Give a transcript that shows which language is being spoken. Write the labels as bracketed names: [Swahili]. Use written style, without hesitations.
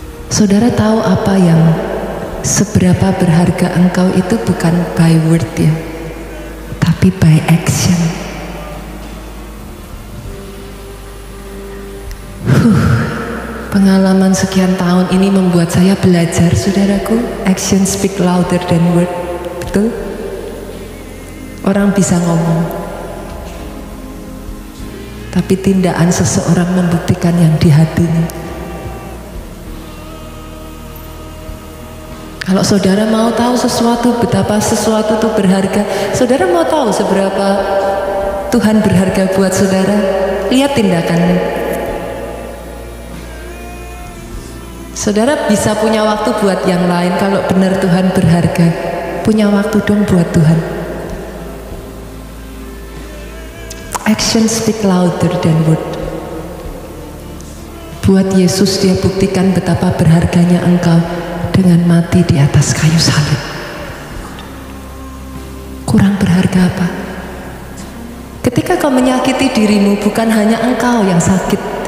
[Indonesian] Saudara tahu apa yang seberapa berharga engkau itu bukan [English] by word [Indonesian] ya, tapi [English] by action. [Indonesian] Pengalaman sekian tahun ini membuat saya belajar, saudaraku. [English] Action speak louder than word. [Indonesian] Betul? Orang bisa ngomong, tapi tindakan seseorang membuktikan yang di hatinya. Kalau saudara mau tahu sesuatu, betapa sesuatu itu berharga, saudara mau tahu seberapa Tuhan berharga buat saudara, lihat tindakannya. Saudara bisa punya waktu buat yang lain kalau benar Tuhan berharga. Punya waktu dong buat Tuhan. [English] Action speak louder than word. [Indonesian] Buat Yesus Dia buktikan betapa berharganya engkau dengan mati di atas kayu salib. Kurang berharga apa? Ketika kau menyakiti dirimu, bukan hanya engkau yang sakit.